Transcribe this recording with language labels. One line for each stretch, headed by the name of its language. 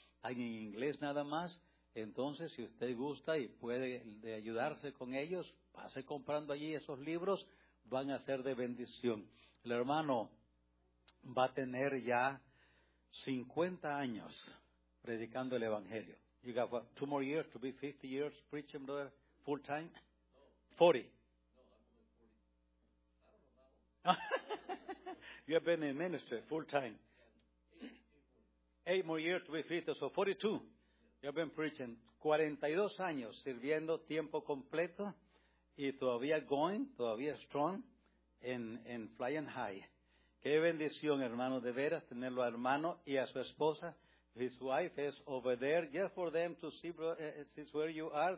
Spanish: Hay en inglés nada más. Entonces, si usted gusta y puede de ayudarse con ellos, pase comprando allí esos libros. Van a ser de bendición. El hermano va a tener ya 50 años predicando el Evangelio.
English: You got what, two more years to be 50 years preaching, brother, full time? No. 40. No, I'm only 40. You have been in ministry full time. Eight more years to be 50, so 42. Yes. You have been preaching 42
Spanish: años sirviendo tiempo completo y todavía
English: going,
Spanish: todavía
English: strong in flying high.
Spanish: Qué bendición, hermano, de veras tenerlo a hermano y a su esposa.
English: His wife is over there. Just for them to see, bro, is where you are.